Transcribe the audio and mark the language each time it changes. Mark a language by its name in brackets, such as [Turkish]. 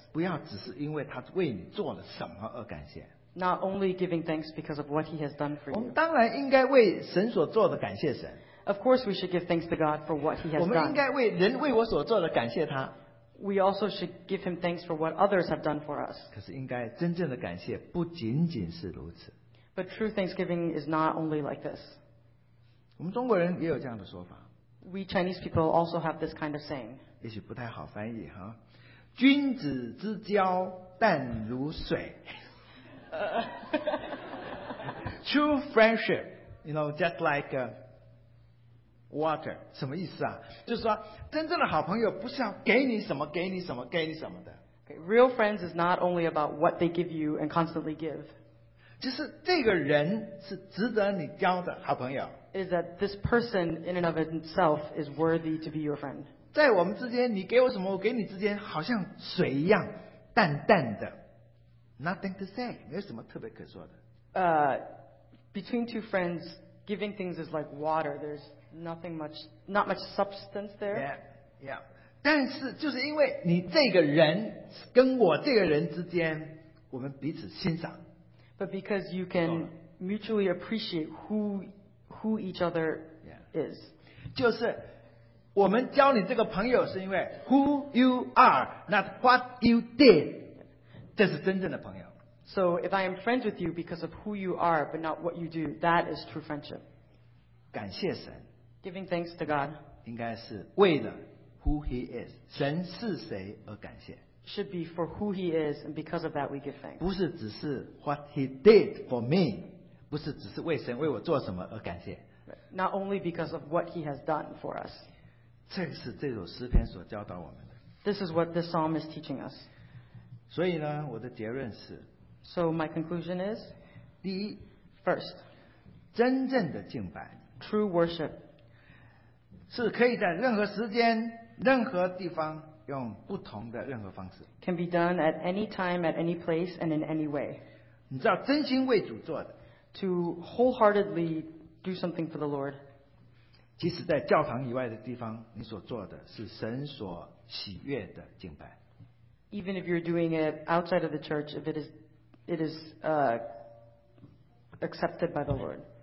[Chinese] 不要只是因为他为你做了什么而感谢。 [English] Not only giving thanks because of what he has done for you. [Chinese] 我们当然应该为神所做的感谢神。 [English] Of course, we should give thanks to God for what he has done. [Chinese] 我们应该为人为我所做的感谢他。 [English] We also should give him thanks for what others have done for us. [Chinese] 可是应该真正的感谢不仅仅是如此。 [English] But true thanksgiving is not only like this. [Chinese] 我们中国人也有这样的说法。 [English] We Chinese people also have this kind of saying. [Chinese] 也许不太好翻译哈。君子之交淡如水。 [English] True friendship, you know, just like water. [Chinese] 什么意思啊？就是说，真正的好朋友不是要给你什么，给你什么，给你什么的。 [English] Okay, real friends is not only about what they give you and constantly give. [Chinese] 就是这个人是值得你交的好朋友。 [English] Is that this person in and of itself is worthy to be your friend? [Chinese] 在我们之间，你给我什么，我给你之间，好像水一样，淡淡的。 [English] Nothing to say, [Chinese] 没有什么特别可说的。 [English] Between two friends, giving things is like water. There's nothing much, not much substance there. Yeah, yeah. [Chinese] 但是就是因为你这个人跟我这个人之间，我们彼此欣赏。 [English] But because you can mutually appreciate who each other is. [Chinese] 就是我们交你这个朋友是因为 [English] who you are, not what you did. [Chinese] 这是真正的朋友。 [English] So if I am friends with you because of who you are, but not what you do, that is true friendship. [Chinese] 感谢神。 [English] Giving thanks to God. [Chinese] 应该是为了 [English] who he is, [Chinese] 神是谁而感谢。 [English] Should be for who he is, and because of that we give thanks. [Chinese] 不是只是 [English] what he did for me, [Chinese] 不是只是为神为我做什么而感谢。 [English] Not only because of what he has done for us. [Chinese] 这是这首诗篇所教导我们的。 [English] This is what this psalm is teaching us. [Chinese] 所以呢，我的结论是。 [English] So my conclusion is, [Chinese] 第一 [English] ，first， [Chinese] 真正的敬拜 [English] ，true worship， [Chinese] 是可以在任何时间、任何地方用不同的任何方式。 [English] Can be done at any time, at any place, and in any way. [Chinese] 你知道，真心为主做的。 [English] To wholeheartedly do something for the Lord. [Chinese] 即使在教堂以外的地方，你所做的是神所喜悦的敬拜。 [English] Even if you're doing it outside of the church, if it is accepted by the Lord.